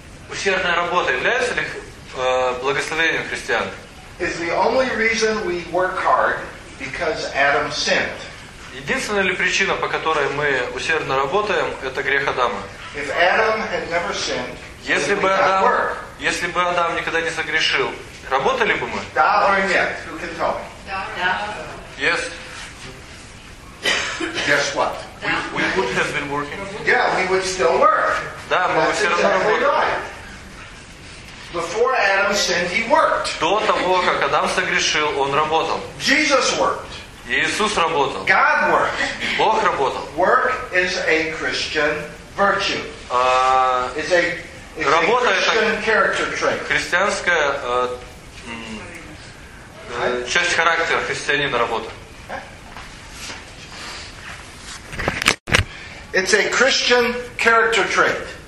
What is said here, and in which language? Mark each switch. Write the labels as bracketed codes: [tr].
[ru] Усердная работа является ли благословением христиан? [en] Is the only reason we work hard because Adam sinned? [ru] Единственная ли причина, по которой мы усердно работаем, это грех Адама? [en] If Adam had never sinned, [ru] если бы Адам, если бы Адам никогда не согрешил, работали бы мы? Да или нет? [en] Who can tell me? [ru] Да. [en] Yes. Guess what? We would have been working. Yeah, we would still work. [ru] Да, мы бы все равно работали. [en] Before Adam sinned, he worked. [ru] До того, как Адам согрешил, он работал. [en] Jesus worked. [ru] Иисус работал. [en] God worked. [ru] Бог работал. [en] Work is a Christian virtue. Is a [ru] Работа это христианская часть характера христианина работа. [en] It's a Christian character trait.